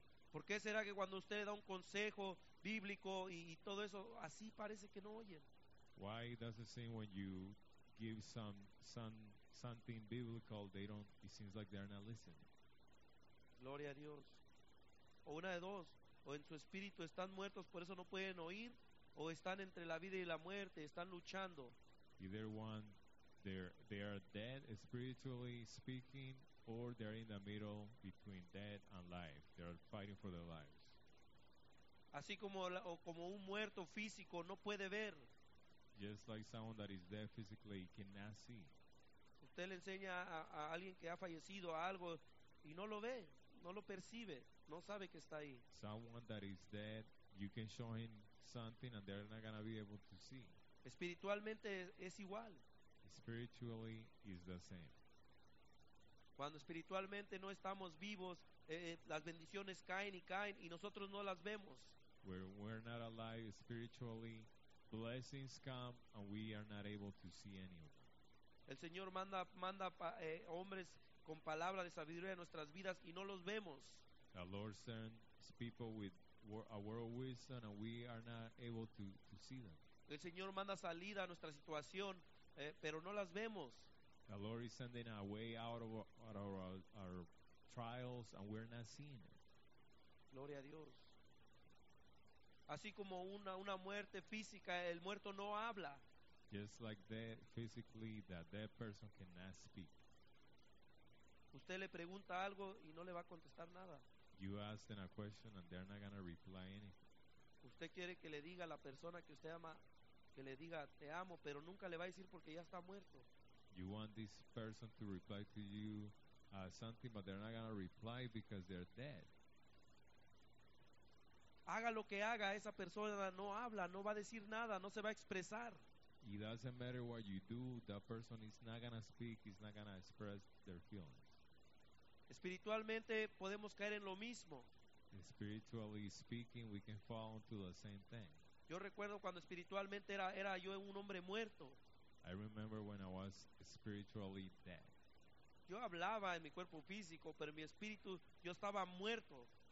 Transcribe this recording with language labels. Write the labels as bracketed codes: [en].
[es] ¿Por qué será que cuando usted le da un consejo bíblico y todo eso, así parece que no oyen? [en] Why does it seem when you give something biblical, it seems like they're not listening? [es] Gloria a Dios. O una de dos, o en su espíritu están muertos, por eso no pueden oír, o están entre la vida y la muerte, están luchando. [en] Either one, they are dead spiritually speaking, or they're in the middle between dead and life. They are fighting for their lives. [es] Así como como un muerto físico no puede ver. [en] Just like someone that is dead physically cannot see. [es] Usted le enseña a alguien que ha fallecido algo y no lo ve, no lo percibe, no sabe que está ahí. [en] Someone that is dead, you can show him something and they're not going to be able to see. [es] Espiritualmente es igual. [en] Spiritually is the same. [es] Cuando espiritualmente no estamos vivos, las bendiciones caen y caen y nosotros no las vemos. [en] When we're not alive spiritually, blessings come and we are not able to see any of them. [es] El Señor manda hombres con palabra de sabiduría en nuestras vidas y no los vemos. [en] The Lord sends people with a word of wisdom and we are not able to see them. [es] El Señor manda salida a nuestra situación, pero no las vemos. [en] The Lord is sending a way out of our trials and we're not seeing it. [es] Gloria a Dios. Así como una muerte física, el muerto no habla. [en] Just like that, physically, that dead person cannot speak. [es] Usted le pregunta algo y no le va a contestar nada. [en] You ask them a question and they're not going to reply anything. [es] Usted quiere que le diga a la persona que usted ama, que le diga te amo, pero nunca le va a decir porque ya está muerto. [en] You want this person to reply to you something, but they're not going to reply because they're dead. [es] Haga lo que haga, esa persona no habla, no va a decir nada, no se va a expresar. [en] It doesn't matter what you do, that person is not going to speak, is not going to express their feelings. [es] Espiritualmente podemos caer en lo mismo. [en] Spiritually speaking, we can fall into the same thing. [es] Yo recuerdo cuando espiritualmente era yo un hombre muerto. [en] I remember when I was spiritually dead. [es] Yo hablaba en mi cuerpo físico, pero en mi espíritu yo estaba muerto.